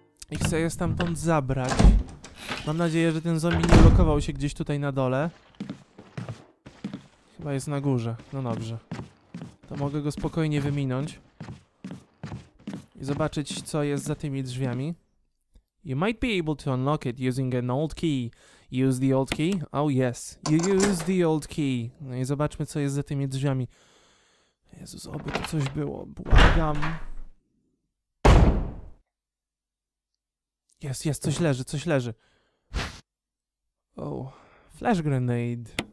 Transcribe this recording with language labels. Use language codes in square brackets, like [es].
[pl] I chcę je stamtąd zabrać. Mam nadzieję, że ten zombie nie blokował się gdzieś tutaj na dole. Chyba jest na górze. No dobrze. To mogę go spokojnie wyminąć. I zobaczyć, co jest za tymi drzwiami. [en] You might be able to unlock it using an old key. Use the old key? Oh yes. You use the old key. [pl] No i zobaczmy, co jest za tymi drzwiami. Jezus, oby to coś było. Błagam. Jest, coś leży. Oh, flash grenade.